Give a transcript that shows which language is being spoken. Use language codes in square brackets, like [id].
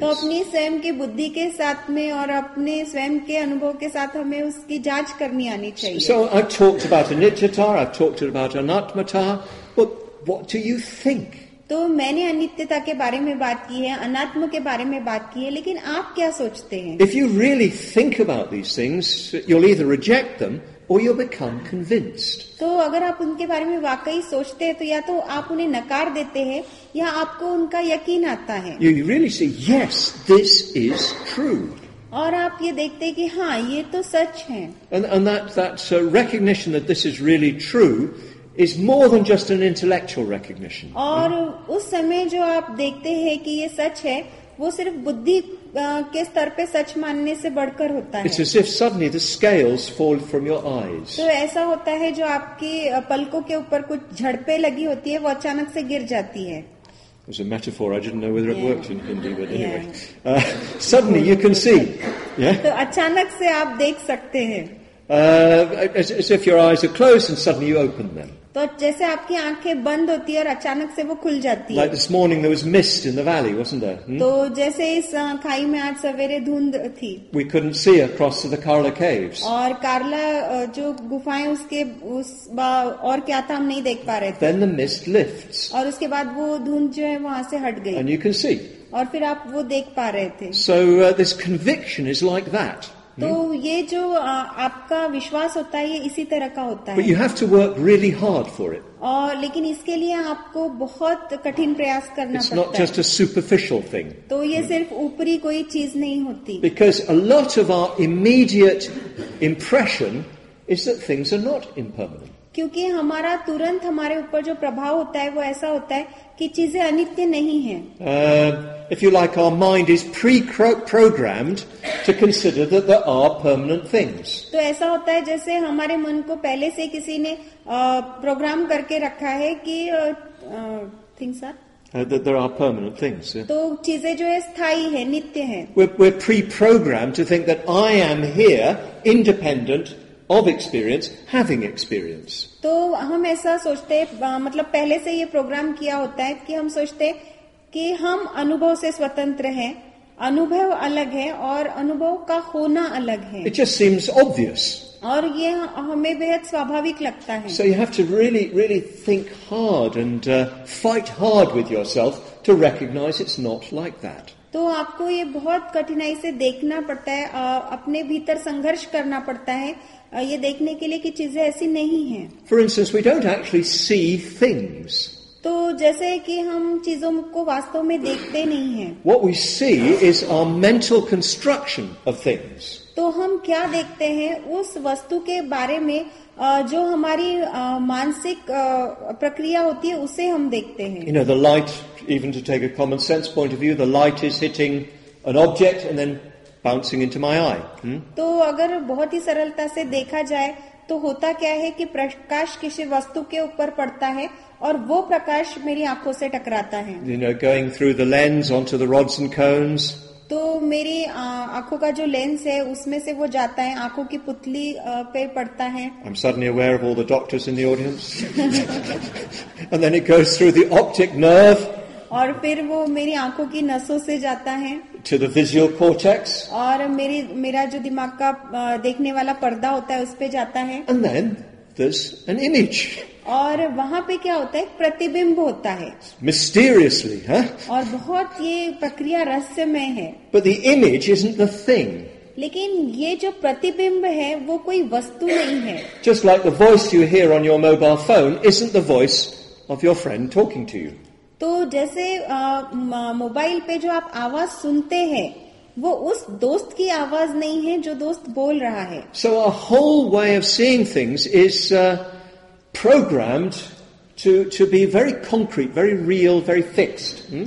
[hi] तो अपनी स्वयं की बुद्धि के साथ में और अपने स्वयं के अनुभव के साथ हमें उसकी जांच करनी आनी चाहिए। [en] So I've talked about anicca, I've talked about anatmata, but what do you think? [hi] तो मैंने अनित्यता के बारे में बात की है, अनात्म के बारे में बात की है, लेकिन आप क्या सोचते हैं? [en] If you really think about these things, you'll either reject them or you'll become convinced. [hi] तो अगर आप उनके बारे में वाकई सोचते हैं, तो या तो आप उन्हें नकार देते हैं, या आपको उनका यकीन आता है। [en] You really say, yes, this is true. [hi] और आप ये देखते हैं कि हाँ, ये तो सच है। [en] And that's a recognition that this is really true. Is more than just an intellectual recognition. [hi] और उस समय जो आप देखते हैं कि ये सच है, वो सिर्फ बुद्धि के स्तर पे सच मानने से बढ़कर होता है। [en] It's as if suddenly the scales fall from your eyes. [hi] तो ऐसा होता है जो आपकी पलकों के ऊपर कुछ झड़पे लगी होती है, वो अचानक से गिर जाती है। [en] It was a metaphor. I didn't know whether it worked in Hindi, but anyway, suddenly you can see. Yeah. [hi] तो अचानक से आप देख सकते हैं। [en] As if your eyes are closed and suddenly you open them. [hi] तो जैसे आपकी आंखें बंद होती है और अचानक से वो खुल जाती है। [en] Like this morning there was mist in the valley, wasn't there? [hi] तो जैसे इस खाई में आज सवेरे धुंध थी। [en] We couldn't see across to the Karla caves. [hi] और कारला जो गुफाएं उसके उस और क्या था हम नहीं देख पा रहे थे। [en] Then the mist lifts. [hi] और उसके बाद वो धुंध जो है वहां से हट गई। [en] And you can see. [hi] और फिर आप वो देख पा रहे थे। [en] So this conviction is like that. [hi] तो ये जो आपका विश्वास होता है ये इसी तरह का होता है। [en] But you have to work really hard for it. [hi] और लेकिन इसके लिए आपको बहुत कठिन प्रयास करना [en] It's [hi] पड़ता [en] not just [hi] है। [en] A superficial thing. [hi] तो ये सिर्फ ऊपरी कोई चीज नहीं होती। [en] Because a lot of our immediate impression is that things are not impermanent. [hi] क्योंकि हमारा तुरंत हमारे ऊपर जो प्रभाव होता है वो ऐसा होता है कि चीजें अनित्य नहीं है। [en] If you like, our mind is pre-programmed to consider that there are permanent things. [hi] तो ऐसा होता है जैसे हमारे मन को पहले से किसी ने प्रोग्राम करके रखा है कि [en] things are. That there are permanent things. Yeah. [hi] तो चीजें जो है स्थाई है, नित्य है. [en] We're pre-programmed to think that I am here, independent of experience, having experience. [hi] तो हम ऐसा सोचते हैं, मतलब पहले से ये प्रोग्राम किया होता है कि हम सोचते हैं कि हम अनुभव से स्वतंत्र हैं, अनुभव अलग है और अनुभव का होना अलग है। [en] It just seems obvious. [hi] और ये हमें बेहद स्वाभाविक लगता है। [en] So you have to really, really think hard and fight hard with yourself to recognize it's not like that. [hi] तो आपको ये बहुत कठिनाई से देखना पड़ता है, अपने भीतर संघर्ष करना पड़ता है ये देखने के लिए कि चीजें ऐसी नहीं हैं। [en] For instance, we don't actually see things. [hi] तो जैसे कि हम चीजों को वास्तव में देखते नहीं हैं। [en] What we see is our mental construction of things. [hi] तो हम क्या देखते हैं उस वस्तु के बारे में जो हमारी मानसिक प्रक्रिया होती है उसे हम देखते हैं। [en] You know, the light, even to take a common sense point of view, the light is hitting an object and then bouncing into my eye. [hi] तो अगर बहुत ही सरलता से देखा जाए तो होता क्या है कि प्रकाश किसी वस्तु के ऊपर पड़ता है और वो प्रकाश मेरी आंखों से टकराता है। [en] You know, going through the lens onto the rods and cones. [hi] तो मेरी आंखों का जो लेंस है उसमें से वो जाता है, आंखों की पुतली पे पड़ता है। [en] I'm suddenly aware of all the doctors in the audience. And then it goes through the optic nerve. [hi] और फिर वो मेरी आंखों की नसों से जाता है। [en] To the visual cortex. [hi] और मेरा जो दिमाग का देखने वाला पर्दा होता है उस पे जाता है। [en] And then there's an image. [hi] और वहां पे क्या होता है, प्रतिबिंब होता है। [en] Mysteriously, huh? [hi] और बहुत ये प्रक्रिया रहस्यमय है। [en] But the image isn't the thing. [hi] लेकिन ये जो प्रतिबिंब है वो कोई वस्तु नहीं है। [en] Just like the voice you hear on your mobile phone isn't the voice of your friend talking to you. [hi] तो जैसे मोबाइल पे जो आप आवाज सुनते हैं वो उस दोस्त की आवाज नहीं है जो दोस्त बोल रहा है. [en] So a whole way of seeing things is programmed to be very concrete, very real, very fixed.